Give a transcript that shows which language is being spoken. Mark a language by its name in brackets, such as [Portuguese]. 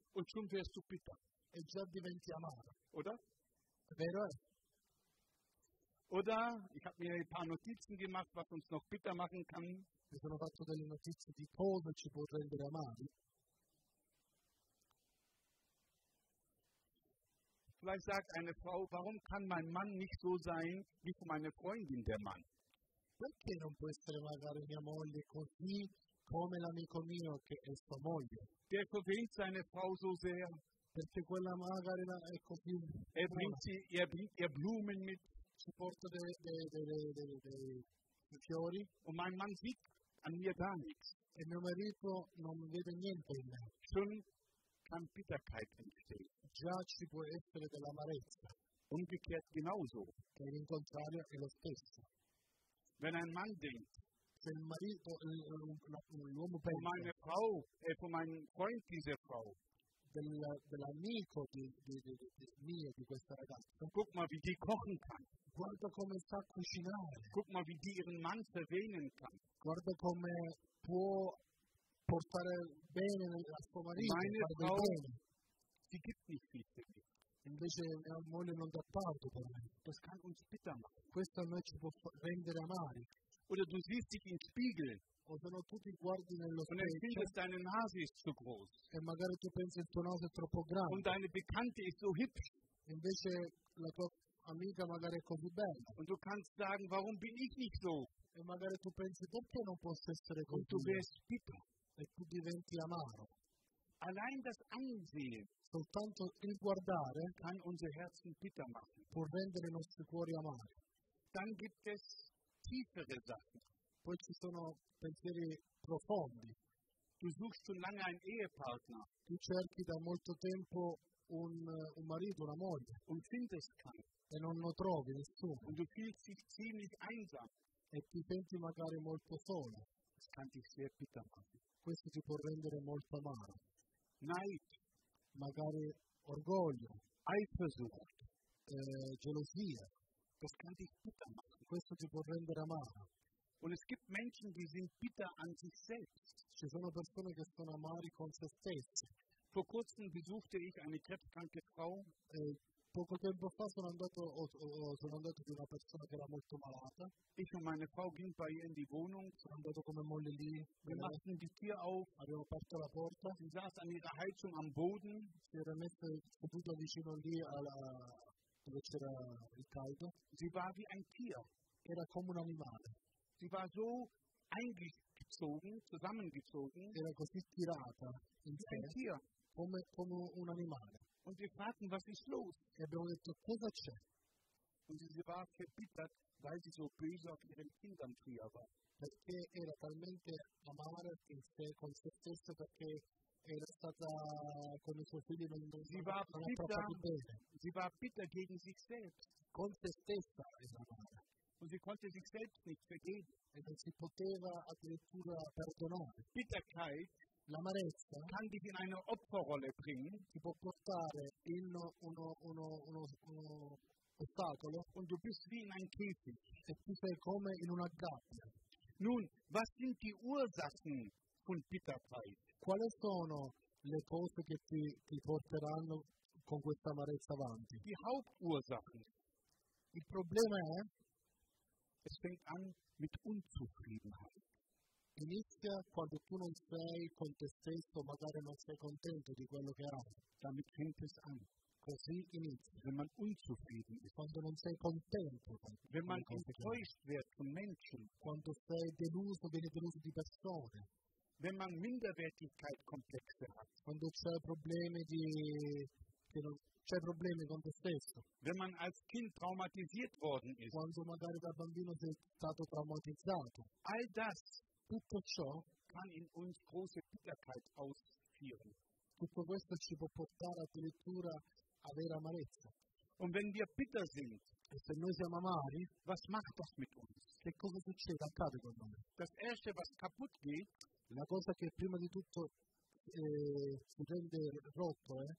[German] Und schon wirst du bitter. [Italian] E già diventi amaro. [German] Oder? [Italian] Vero è. [German] Oder, ich habe mir ein paar Notizen gemacht, was uns noch bitter machen kann. [Italian] Mi sono fatto delle notizie di cosa ci può rendere amari. [German] Vielleicht sagt eine Frau, warum kann mein Mann nicht so sein wie für meine Freundin der Mann? [Italian] Perché non può essere magari mia moglie così come l'amico mio che è sua moglie? [German] Der verwöhnt seine Frau so sehr. [Italian] Perché quella magari la è così. [German] Er bringt ihr Blumen mit. [Italian] Ci porta dei fiori. [German] Und mein Mann sieht an mir gar nichts. [Italian] E mio marito non vede niente in me. [German] Schon kann Bitterkeit entstehen. [Italian] Già ci può essere dell'amarezza. [German] Umgekehrt genauso. [Italian] Che in contrario è lo stesso. [German] Wenn ein Mann denkt, [Italian] se il marito, l'uomo pensa, [German] für meine Frau, für meinen Freund diese Frau, [Italian] dell'amico di mio, di questa ragazza, [German] guck mal, wie die kochen kann. [Italian] Guarda come sa cucinare. [German] Guck mal, wie die ihren Mann verwöhnen kann. [Italian] Guarda come può portare bene la sua marito. [German] Meine Frau, sie gibt nicht viel für mich. [Italian] Invece mia moglie non dà parte per me. [German] Das kann uns bitter machen. [Italian] Questo a me ci può rendere amari. [German] Oder du siehst dich in Spiegel. [Italian] O se no tu ti guardi nello specchio. [German] Und du findest deine Nase ist zu groß. [Italian] E magari tu pensi il tuo naso è troppo grande. [German] Und deine Bekannte ist so hübsch. [Italian] Invece la tua amica magari è così bella. [German] Und du kannst sagen, warum bin ich nicht so? [Italian] E magari tu pensi, perché non posso essere così? [German] Und du wirst bitter. [Italian] E tu diventi amaro. [German] Allein das Ansehen. [Italian] Soltanto il guardare [German] kann unser Herzen bitter machen. [Italian] Può rendere i nostri cuori amari. [German] Dann gibt es tiefere Sachen. [Italian] Poi ci sono pensieri profondi. [German] Du suchst schon lange einen Ehepartner. [Italian] Tu cerchi da molto tempo un marito, una moglie. [German] Und findest keinen. [Italian] E non lo trovi nessuno. [German] Und du fühlst dich ziemlich einsam. [Italian] E ti senti magari molto solo. [German] Das kann dich sehr bitter machen. [Italian] Questo ti può rendere molto amaro. [German] Neid. [Italian] Magari orgoglio, [German] Eifersucht, [Italian] gelosia, [German] das kann dich bitter machen. [Italian] Questo ti può rendere amaro. [German] Und es gibt Menschen, die sind bitter an sich selbst. [Italian] Ci sono persone che sono amari con se stessi. [German] Vor kurzem besuchte ich eine krebskranke Frau. [Italian] Poco tempo fa sono andato di una persona che era molto malata. [German] Ich und meine Frau gingen bei ihr in die Wohnung. [Italian] Sono andato con mia moglie lì. [German] Wir machten die Tür auf. [Italian] Abbiamo aperto la porta. [German] Sie saß an ihrer Heizung am Boden. [Italian] Si era messa seduta vicino lì dove c'era il caldo. [German] Sie war wie ein Tier. [Italian] Era come un animale. [German] Sie war so eingezogen, zusammengezogen. [Italian] Era così tirata. [German] Wie ein Tier. [Italian] Come un animale. [German] Und wir fragten, was ist los? [Italian] E abbiamo detto, cosa c'è? [German] Und sie war verbittert, weil sie so böse auf ihren Kindern früher war. [Italian] Perché era talmente amara in sé con se stessa, perché era stata con i suoi figli non [German] sie war bitter gegen sich selbst. [Italian] Con se stessa era amara. [German] Und sie konnte sich selbst nicht vergeben. [Italian] E non si poteva addirittura perdonare. [German] Bitterkeit. [Italian] L'amarezza [German] kann dich in eine Opferrolle bringen, [Italian] ti può portare in uno ostacolo, [German] und du bist wie in ein Käfig, [Italian] e tu sei come in una gabbia. [German] Nun, was sind die Ursachen von Bitterkeit? [Italian] Quali sono le cose che ti porteranno con questa amarezza avanti? [German] Die Hauptursachen. [Italian] Il problema è, [German] es fängt an mit Unzufriedenheit. [Italian] Inizia quando tu non sei con te stesso, magari non sei contento di quello che hai. [German] Damit fängt es an. [Italian] Così inizia. [German] Wenn man unzufrieden ist. [Italian] Quando non sei contento. [German] Wenn man enttäuscht wird von Menschen. [Italian] Quando sei deluso, viene deluso di persone. [German] Wenn man Minderwertigkeitskomplexe hat. [Italian] Quando c'è problemi di... C'è problemi con te stesso. [German] Wenn man als Kind traumatisiert worden ist. [Italian] Quando magari da bambino sei stato traumatizzato. [German] All das. [Italian] Tutto ciò [German] kann in uns große Bitterkeit ausführen. [Italian] Tutto questo ci può portare addirittura a vera amarezza. [German] Und wenn wir bitter sind, [Italian] e se noi siamo amari, [German] was macht das mit uns? [Italian] Che cosa succede? Accade con noi? [German] Das erste, was kaputt geht, [Italian] la cosa che prima di tutto si rende rotto,